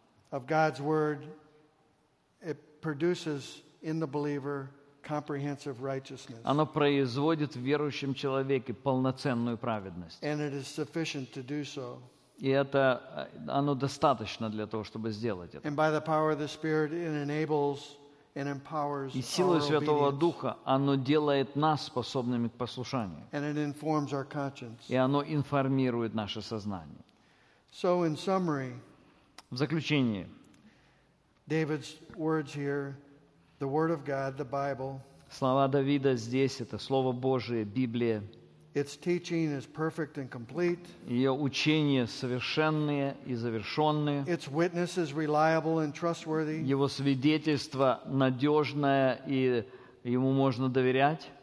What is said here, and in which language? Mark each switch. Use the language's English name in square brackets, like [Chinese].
[English] Of God's word, it produces in the believer comprehensive righteousness. [Russian] Оно производит в верующем человеке полноценную праведность. [English] And it is sufficient to do so. [Russian] И это, оно достаточно для того, чтобы сделать это. [English] And by the power of the Spirit, it enables and empowers our obedience. [Russian] И силой Святого Духа оно делает нас способными к послушанию. [English] And it informs our conscience. [Russian] И оно информирует наше сознание. [English] So in summary, [Russian] в заключение, [English] David's words here, the word of God, the Bible. [Russian] Слова Давида здесь, это Слово Божие, Библия. [English] Its teaching is perfect and complete. [Russian] Ее учения совершенные и завершенные. [English] Its witness is reliable and trustworthy. [Russian] Его свидетельство надежное, и ему можно доверять.